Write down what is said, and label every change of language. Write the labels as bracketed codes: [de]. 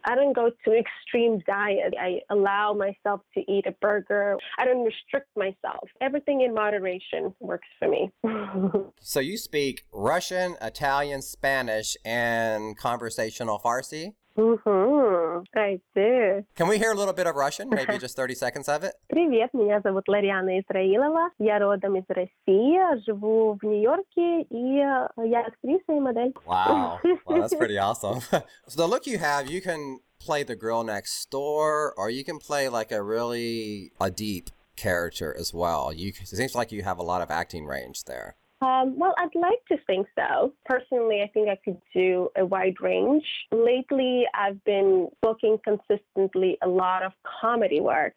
[en] I don't go to extreme diet. I allow myself to eat a burger. I don't restrict myself. Everything in moderation works for me. So you speak Russian, Italian, Spanish, and conversational Farsi? Mm-hmm. I do. Can we hear a little bit of Russian? Maybe just 30 seconds of it? [ru] Привет, меня зовут Лариана Израилова. Я родом из России, живу в Нью-Йорке, и я актриса и модель. [en] Wow. Well, that's pretty awesome. So the look you have, you can play the girl next door, or you can play like a really deep character as well. It seems like you have a lot of acting range there. Well, I'd like to think so. Personally, I think I could do a wide range. Lately, I've been booking consistently a lot of comedy work.